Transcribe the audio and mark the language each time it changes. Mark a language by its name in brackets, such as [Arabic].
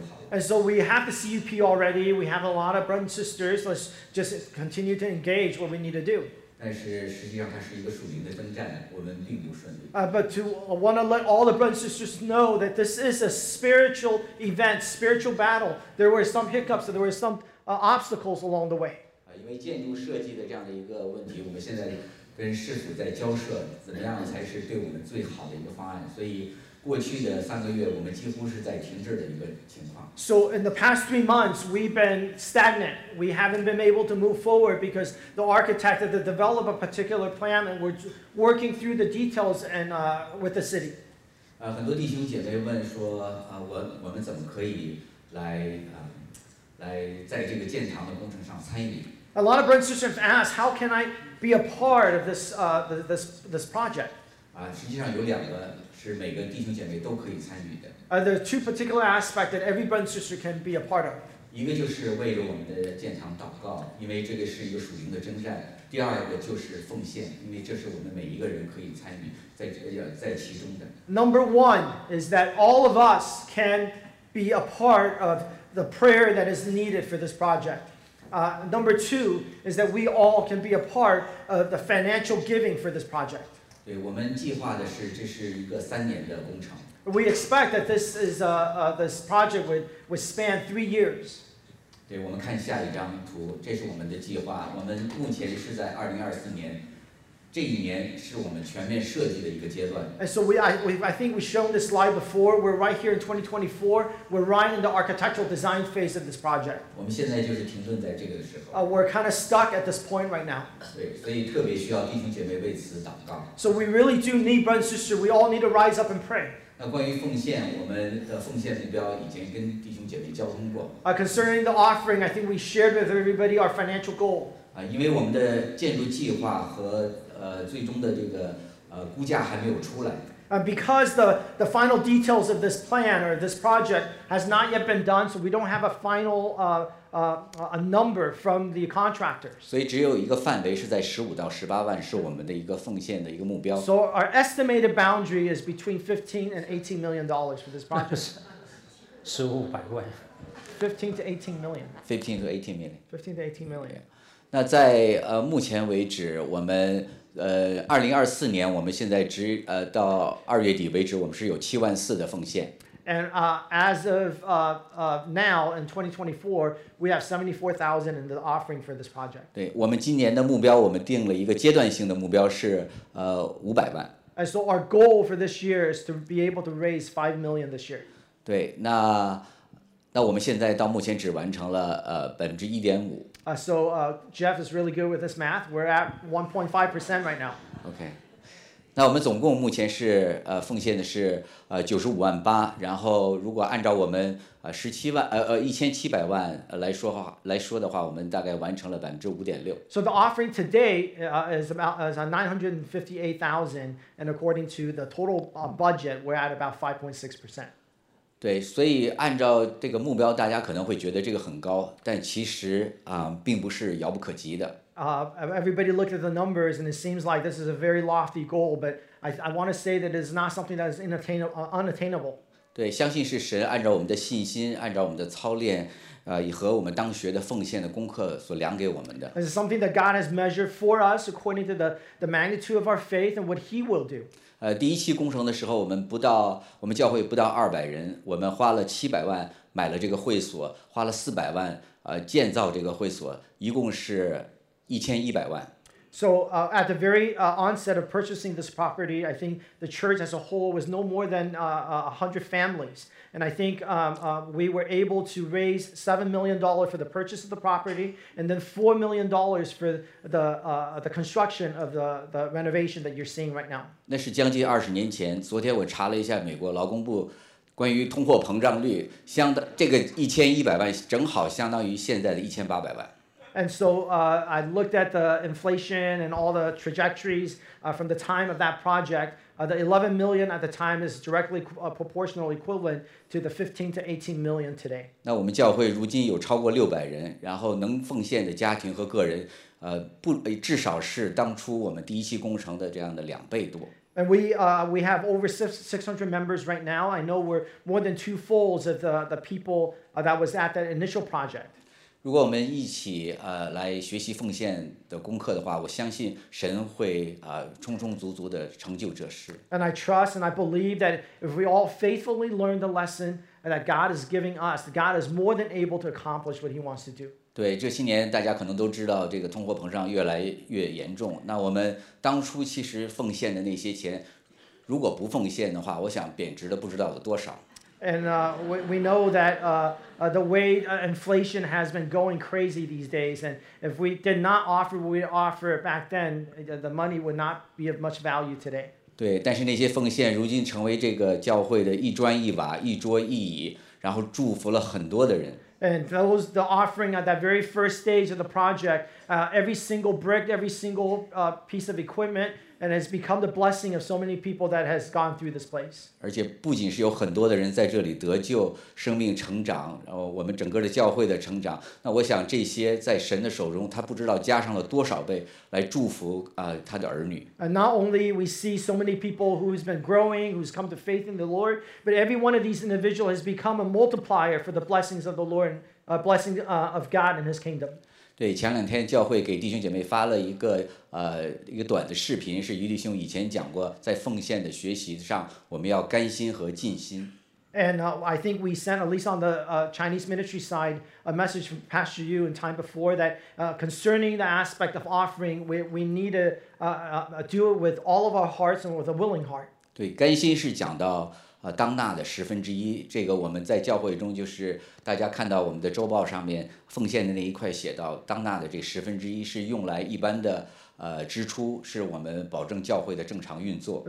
[English] And so we have the CUP already, we have a lot of brothers and sisters, let's just continue to engage what we need to do. But to want to let all the brothers and sisters know that this is a spiritual event, spiritual battle. There were some hiccups, there were some obstacles along the way. [Chinese] 因为建筑设计的这样的一个问题，我们现在跟师傅在交涉，怎么样才是对我们最好的一个方案？所以过去的三个月，我们几乎是在停滞的一个情况。 [English] So in the past 3 months, we've been stagnant. We haven't been able to move forward because the architect had to develop a particular plan, and we're working through the details and with the city. [Chinese] 很多弟兄姐妹问说，我们怎么可以来来在这个建堂的工程上参与？ [English] A lot of brothers and sisters ask, how can I be a part of this, this project? [Chinese] 实际上有两个是每个弟兄姐妹都可以参与的。 [English] There are two particular aspects that every brother and sister can be a part of. [Chinese] 一个就是为了我们的建堂祷告，因为这个是一个属灵的征战。第二个就是奉献，因为这是我们每一个人可以参与在其中的。 [English] Number one is that all of us can be a part of the prayer that is needed for this project. Number two is that we all can be a part of the financial giving for this project. [Chinese] 对，我们计划的是这是一个三年的工程。 [English] We expect that this is this project would span 3 years. [Chinese] 对，我们看下一张图，这是我们的计划。我们目前是在2024年，这一年是我们全面设计的一个阶段。 [English] And so I think we've shown this slide before. We're right here in 2024. We're right in the architectural design phase of this project. [Chinese] 我们现在就是停顿在这个时候。 [English] We're kind of stuck at this point right now. [Chinese] 对，所以特别需要弟兄姐妹为此祷告。 [English] So we really do need, brother and sister, we all need to rise up and pray. [Chinese] 那关于奉献，我们的奉献目标已经跟弟兄姐妹交通过。 [English] Concerning the offering, I think we shared with everybody our financial goal. [Chinese] 因为我们的建筑计划和最终的这个估价还没有出来。 [English] Because the final details of this plan or this project has not yet been done, so we don't have a final a number from the contractors. [Chinese] 所以只有一个范围是在15到18万，是我们的一个奉献的一个目标。 [English] So our estimated boundary is between $15 and $18 million for this project. [Chinese] 15-18万。 [English] 15 to 18 million. 15 to 18 million. 15 to 18 million. Yeah. [Chinese] 那在目前为止，我们2024年，我们现在只到2月底为止，我们是有74,000的奉献。 [English] And as of now in 2024, we have 74,000 in the offering for this project. [Chinese] 对，我们今年的目标，我们定了一个阶段性的目标是500万。 [English] And so our goal for this year is to be able to raise 5 million this year. [Chinese] 对，那我们现在到目前只完成了1.5%。 [English] Jeff is really good with this math. We're at 1.5% right now. Okay. [Chinese] 那我们总共目前是奉献的是958,000，然后如果按照我们1,700,000来说的话，我们大概完成了5.6%。 [English] So the offering today is about 958,000, and according to the total budget, we're at about 5.6%. [Chinese] 对，所以按照这个目标，大家可能会觉得这个很高，但其实并不是遥不可及的。 [English] Everybody looked at the numbers, and it seems like this is a very lofty goal, but I want to say that it's not something that is unattainable. [Chinese] 对，相信是神按照我们的信心，按照我们的操练，以和我们当学的奉献的功课所量给我们的。 [English] It's something that God has measured for us according to the magnitude of our faith and what He will do. [Chinese] 第一期工程的时候，我们教会不到200人，我们花了700万买了这个会所，花了400万建造这个会所，一共是1,100,000。 [English] So at the very onset of purchasing this property, I think the church as a whole was no more than 100 families. And I think we were able to raise $7 million for the purchase of the property and then $4 million for the construction of the renovation that you're seeing right now. [Chinese] 那是将近20年前，昨天我查了一下美国劳工部关于通货膨胀率，这个1,100,000正好相当于现在的1,800,000。 [English] And so I looked at the inflation and all the trajectories from the time of that project. The $11 million at the time is directly proportional equivalent to the $15 to $18 million today. [Chinese] 那我们教会如今有超过600人，然后能奉献的家庭和个人，至少是当初我们第一期工程的这样的2倍多。 [English] And we have over 600 members right now. I know we're more than two folds of the people that was at that initial project. [Chinese] 如果我们一起来学习奉献的功课的话，我相信神会充充足足的成就这事。 [English] And I trust and I believe that if we all faithfully learn the lesson that God is giving us, God is more than able to accomplish what He wants to do. [Chinese] 对，这些年大家可能都知道，这个通货膨胀越来越严重。那我们当初其实奉献的那些钱，如果不奉献的话，我想贬值的不知道有多少。 [English] And we know that the way inflation has been going crazy these days, and if we did not offer what we offered back then, the money would not be of much value today. [Chinese] 对，但是那些奉献如今成为这个教会的一砖一瓦、一桌一椅，然后祝福了很多的人。 [English] And those the offering at that very first stage of the project, every single brick, every single piece of equipment. And it's become the blessing of so many people that has gone through this place. [Chinese] 而且不仅是有很多的人在这里得救，生命成长，然后我们整个的教会的成长。那我想这些在神的手中，他不知道加上了多少倍来祝福他的儿女。 [English] And not only we see so many people who's been growing, who's come to faith in the Lord, but every one of these individuals has become a multiplier for the blessings of the Lord, blessing of God and His kingdom. [Chinese] 对，前两天教会给弟兄姐妹发了一个短的视频，是余弟兄以前讲过，在奉献的学习上，我们要甘心和尽心。 [English] And I think we sent at least on the Chinese ministry side a message from Pastor Yu in time before that concerning the aspect of offering, we need to do it with all of our hearts and with a willing heart. [Chinese] 对，甘心是讲到当纳的十分之一，这个我们在教会中就是大家看到我们的周报上面奉献的那一块写到当纳的这十分之一是用来一般的支出，是我们保证教会的正常运作。